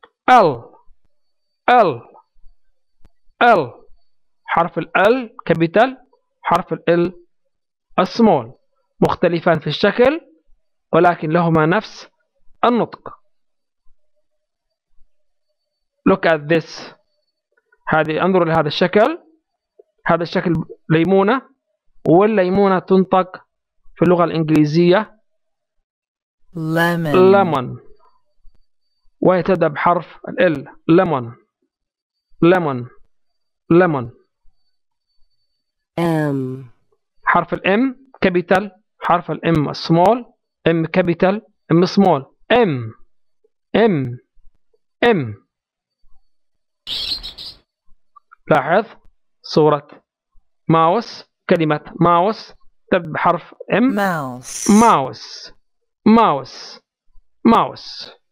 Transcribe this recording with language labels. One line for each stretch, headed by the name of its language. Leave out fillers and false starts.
Arabic: L L L، حرف ال L capital حرف ال L small، مختلفان في الشكل ولكن لهما نفس النطق.
English: Look at this.
Arabic: هذه انظروا لهذا الشكل، هذا الشكل ليمونة، والليمونة تنطق في اللغة الإنجليزية
English: lemon
Arabic: ويتبدأ بحرف ال L lemon lemon lemon.
English: M
Arabic: حرف ال M capital حرف ال M small، M capital M small. M M M، لاحظ صورة ماوس، كلمة ماوس تبدأ بحرف M.
English: Mouse.
Arabic: ماوس ماوس ماوس.